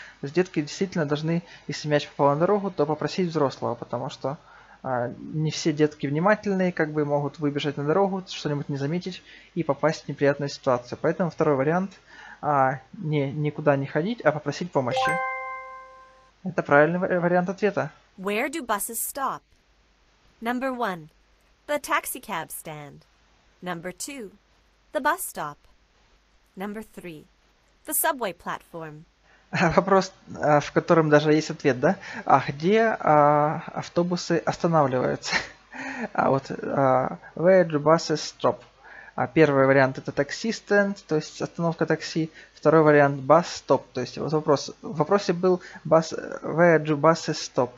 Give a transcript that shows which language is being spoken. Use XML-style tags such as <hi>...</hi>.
<ru>То есть детки действительно должны, если мяч попал на дорогу, то попросить взрослого, потому что не все детки внимательные, как бы могут выбежать на дорогу, что-нибудь не заметить и попасть в неприятную ситуацию. Поэтому второй вариант, не никуда не ходить, а попросить помощи. Это правильный вариант ответа.</ru> <en>Where do buses stop? Number one, the taxi cab stand. Number two, the bus stop. Number three, the subway platform.</en> <ru>Вопрос, в котором даже есть ответ, да? А где автобусы останавливаются? А вот</ru> <en>where do buses stop?</en> <ru>А первый вариант — это taxi stand, то есть остановка такси. Второй вариант — bus stop, то есть вот вопрос. В вопросе был bus,</ru> <en>where do buses stop?</en>